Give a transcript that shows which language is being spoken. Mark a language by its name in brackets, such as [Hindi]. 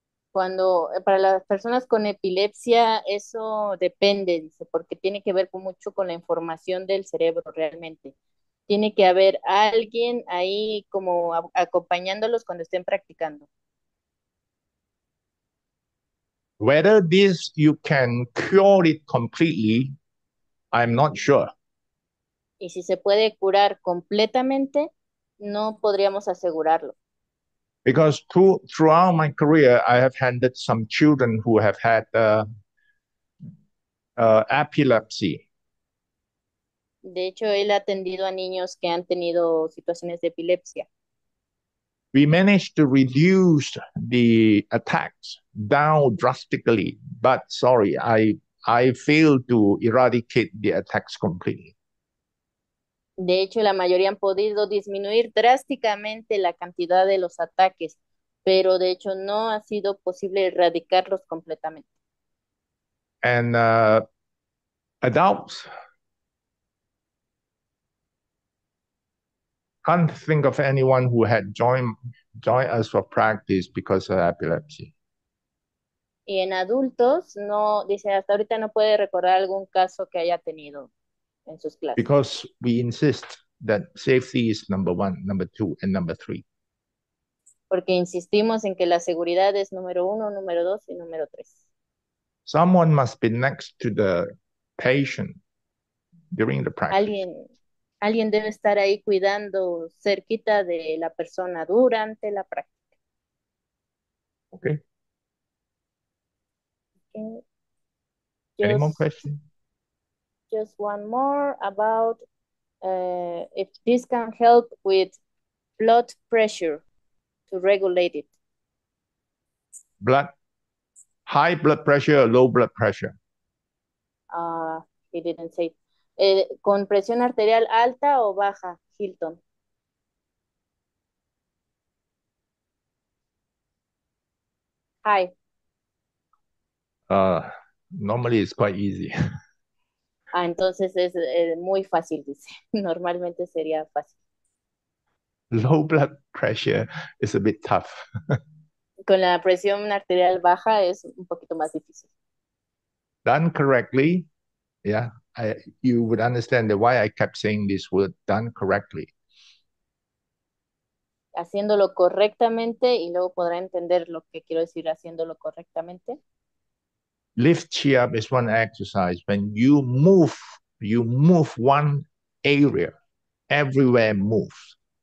[Spanish] Cuando para las personas con epilepsia eso depende, dice, porque tiene que ver mucho con la información del cerebro realmente. Tiene que haber alguien ahí como acompañándolos cuando estén practicando. [English] Whether this you can cure it completely, I'm not sure. [Spanish] Y si se puede curar completamente, no podríamos asegurarlo. [English] Because throughout my career, I have handled some children who have had epilepsy. [Spanish] De hecho, él ha atendido a niños que han tenido situaciones de epilepsia. [English] We managed to reduce the attacks down drastically, but sorry, I failed to eradicate the attacks completely. [Spanish] De hecho, la mayoría han podido disminuir drásticamente la cantidad de los ataques, pero de hecho no ha sido posible erradicarlos completamente. [English] And adults can't think of anyone who had joined us for practice because of epilepsy. [Spanish] Y en adultos, no, dice, hasta ahorita no puede recordar algún caso que haya tenido en sus clases. [English] Because we insist that safety is number one, number two, and number three. [Spanish] Porque insistimos en que la seguridad es número uno, número dos y número tres. [English] Someone must be next to the patient during the practice. [Spanish] Alguien debe estar ahí cuidando cerquita de la persona durante la práctica. [English] Okay. Any more Just questions? one more about if this can help with blood pressure to regulate it. High blood pressure or low blood pressure? He didn't say [Spanish] con presión arterial alta o baja, Hilton. [English] Hi. Normally it's quite easy. [Spanish] Ah, entonces es muy fácil, dice. Normalmente sería fácil. [English] Low blood pressure is a bit tough. [Spanish] Con la presión arterial baja es un poquito más difícil. [English] Done correctly, yeah, you would understand the why I kept saying this word, done correctly. [Spanish] Haciéndolo correctamente y luego podrá entender lo que quiero decir haciéndolo correctamente. [English] Lift chin up is one exercise. When you move one area, everywhere moves.